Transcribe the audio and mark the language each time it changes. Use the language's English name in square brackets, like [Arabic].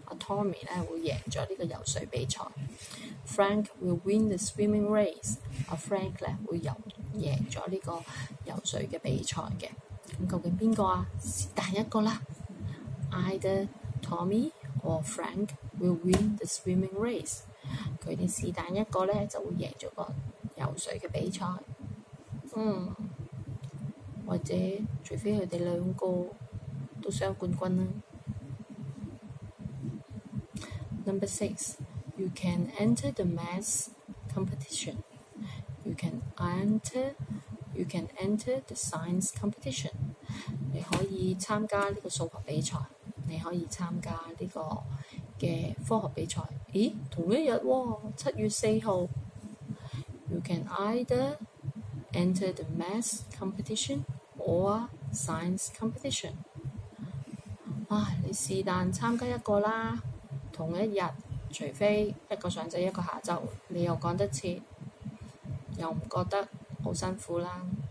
[Cantonese] Tommy 咧會贏咗呢個游水比賽。 [English] Frank will win the swimming race。 [Cantonese] Frank 咧會贏咗呢個游水嘅比賽嘅。咁究竟邊個啊？是但一個啦。 [English] Either Tommy or Frank will win the swimming race. [Cantonese] 他們是但一個呢就會贏了個游水的比賽。或者除非他們兩個都雙冠軍。 [English] Number 6. You can enter the math competition. You can enter the science competition. [Cantonese] 你可以參加呢個數學比賽，你可以參加呢個嘅科學比賽。咦，同一日喎，7月4日。 [English] You can either enter the math competition or science competition. [Cantonese] 啊，你是但參加一個啦，同一日，除非一個上晝一個下晝，你又趕得切，又唔覺得好辛苦啦。